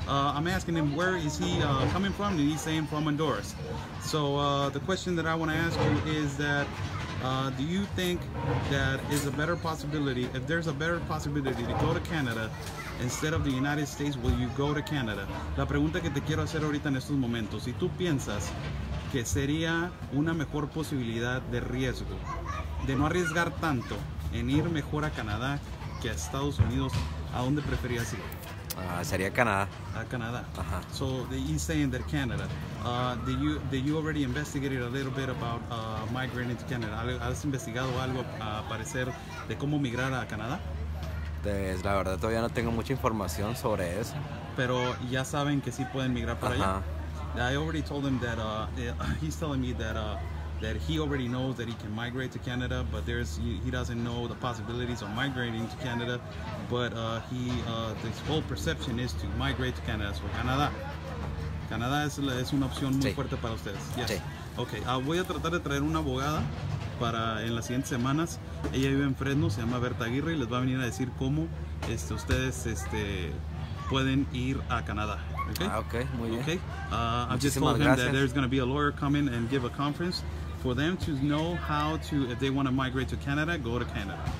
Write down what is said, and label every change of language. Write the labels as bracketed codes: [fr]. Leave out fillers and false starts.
[en] I'm asking him, where is he coming from? And he's saying from Honduras. So, the question that I want to ask you is that, do you think that is a better possibility, if there's a better possibility to go to Canada instead of the United States, will you go to Canada? [es] La pregunta que te quiero hacer ahorita en estos momentos, si tú piensas que sería una mejor posibilidad de riesgo, de no arriesgar tanto en ir mejor a Canadá que a Estados Unidos, ¿a dónde preferías ir? Sería Canadá. A Canadá. Ajá. [en] So he's saying that Canada. Did you already investigated a little bit about migrating to Canada? [es] ¿Has investigado algo a parecer de cómo migrar a Canadá? Pues la verdad todavía no tengo mucha información sobre eso. Pero ya saben que sí pueden migrar para allá. [en] I already told him that he's telling me that that he already knows that he can migrate to Canada, but he doesn't know the possibilities of migrating to Canada. But his whole perception is to migrate to Canada. [es] So Canadá es una opción muy fuerte para ustedes. [en] Yes. [es] Sí. [en] Okay. [es] Voy a tratar de traer una abogada para en las siguientes semanas. Ella vive en Fresno, se llama Berta Aguirre, y les va a venir a decir cómo ustedes pueden ir a Canadá. [en] Okay. Okay. I've just told him that there's going to be a lawyer coming and give a conference for them to know how to, if they want to migrate to Canada, go to Canada.